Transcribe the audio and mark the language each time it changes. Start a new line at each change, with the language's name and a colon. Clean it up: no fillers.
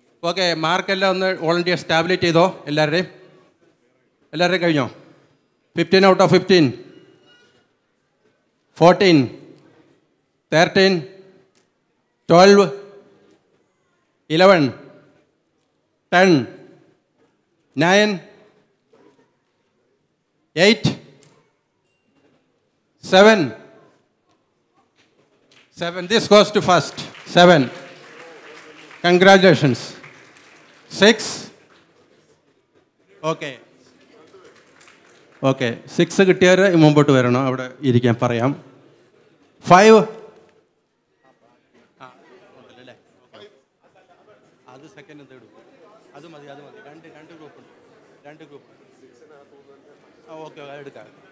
Malayalam: Okay, മാർക്കെല്ലാം ഒന്ന് volunteer സ്റ്റാബിലിറ്റ് ചെയ്തോ. എല്ലാവരുടെയും എല്ലാവരുടെയും കഴിഞ്ഞോ?
English: 15 out of 15, 14, 13, 12, 11, 10, 9, 8, 7, 7, this goes to first, 7, congratulations.
Malayalam: 6, okay, okay, 6 കിട്ടിയവർ മുമ്പോട്ട് വരണം, അവിടെ ഇരിക്കാൻ പറയാം. 5, അത് സെക്കൻഡ് എന്ത് എടുക്കും, അത് മതി, അത് മതി, രണ്ട് രണ്ട് ഗ്രൂപ്പ് ഉണ്ട്, രണ്ട് ഗ്രൂപ്പ്. ഓക്കെ, അത് എടുക്കാം.